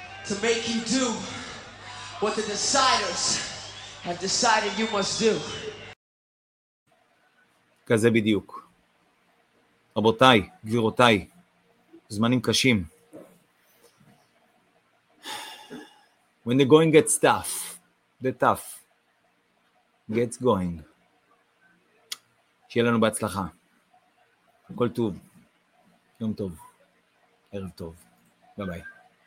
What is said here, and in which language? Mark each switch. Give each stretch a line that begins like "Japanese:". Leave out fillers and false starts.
English: To make you do what the deciders have decided you must do.
Hebrew: כזה בדיוק. רבותיי, גבירותיי, זמנים קשים.
English: When the going gets tough, the tough gets going.
Hebrew: שיהיה לנו בהצלחה. כל טוב. יום טוב. ערב טוב. ביי ביי.